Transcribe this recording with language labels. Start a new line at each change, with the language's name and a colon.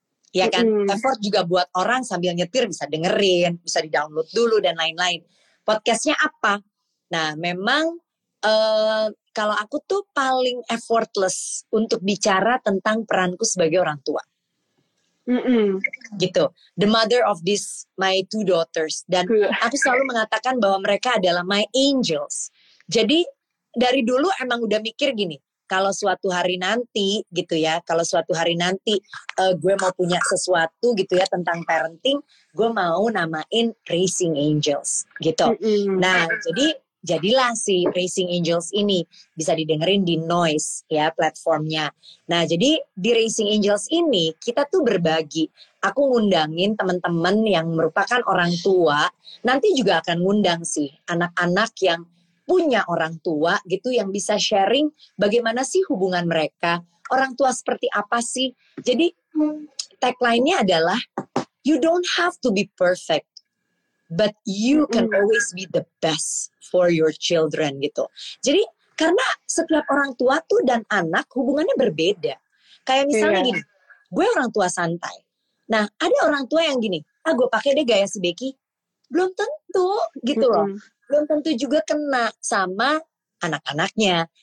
Indonesian: Ya kan, effort juga buat orang sambil nyetir bisa dengerin, bisa di-download dulu dan lain-lain. Podcastnya apa? Nah memang kalau aku tuh paling effortless untuk bicara tentang peranku sebagai orang tua. Gitu,
English: the mother of this my two daughters.
Indonesian: Dan aku selalu mengatakan bahwa mereka adalah
English: my angels.
Indonesian: Jadi dari dulu emang udah mikir gini, kalau suatu hari nanti gitu ya, kalau suatu hari nanti gue mau punya sesuatu gitu ya tentang parenting, gue mau namain Raising Angels gitu. Nah jadilah si Raising Angels ini, bisa didengerin di Noise ya platformnya. Nah jadi di Raising Angels ini kita tuh berbagi. Aku ngundangin teman-teman yang merupakan orang tua, nanti juga akan ngundang sih anak-anak yang punya orang tua gitu, yang bisa sharing bagaimana sih hubungan mereka, orang tua seperti apa sih. Jadi tagline-nya adalah,
English: you don't have to be perfect, but you can always be the best for your children
Indonesian: gitu. Jadi karena setiap orang tua tuh dan anak hubungannya berbeda. Kayak misalnya gini, gue orang tua santai. Nah ada orang tua yang gini, ah gue pakai deh gaya si Becky. Belum tentu gitu loh. Belum tentu juga kena sama anak-anaknya.